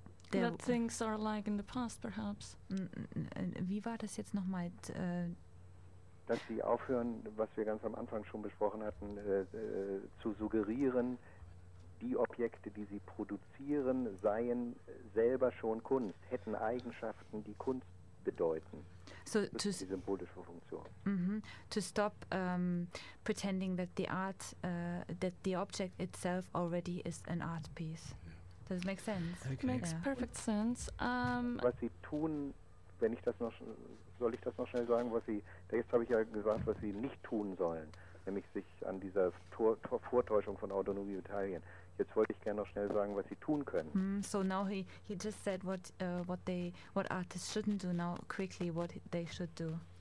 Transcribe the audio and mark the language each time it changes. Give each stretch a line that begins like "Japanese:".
English: that things are like in the past, perhaps.
German: Wie war das jetzt nochmal? Dass sie aufhören, was wir ganz am Anfang schon besprochen hatten, zu suggerieren, die Objekte, die sie produzieren, seien selber schon Kunst, hätten Eigenschaften, die Kunst bedeuten. So das ist die symbolische Funktion. Mm-hmm.
English: To stop pretending that the art, that the object itself already is an art piece. Does it make sense? Okay. Makes yeah. Perfect sense.
German: Was sie tun, wenn ich das noch soll ich das noch schnell sagen, was sie, jetzt habe ich ja gesagt, was sie nicht tun sollen, nämlich sich an dieser Vortäuschung von Autonomie beteiligen. Jetzt wollte ich gerne noch schnell sagen, was sie tun können.
English: Mm, so now he just said what artists shouldn't do, now quickly what they should do.